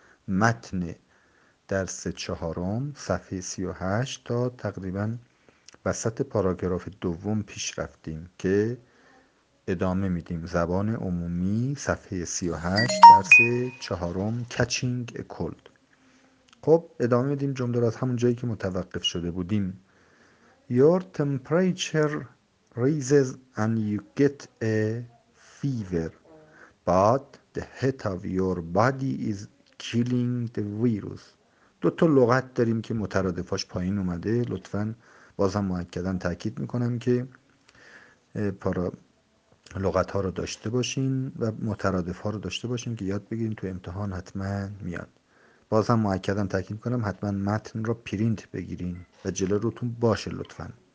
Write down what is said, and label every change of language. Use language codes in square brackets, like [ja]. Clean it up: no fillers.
[fa] متن درس چهارم صفحه 38 تا تقریبا وسط پاراگراف دوم پیش رفتیم که ادامه میدیم. زبان عمومی صفحه 38 درس چهارم [en] catching a cold. [fa] خب ادامه میدیم جمله رو از همون جایی که متوقف شده بودیم. [en] Your temperature raises and you get a fever, but the heat of your body is killing the virus. [fa] دو تا لغت داریم که مترادفاش پایین اومده. لطفاً بازم مؤکدن تاکید میکنم که پارا لغت ها رو داشته باشین و مترادف ها رو داشته باشین که یاد بگیرین تو امتحان حتما میاد. بازم مؤکدن تاکید میکنم حتما متن رو پرینت بگیرین و جلو روتون باشه لطفاً.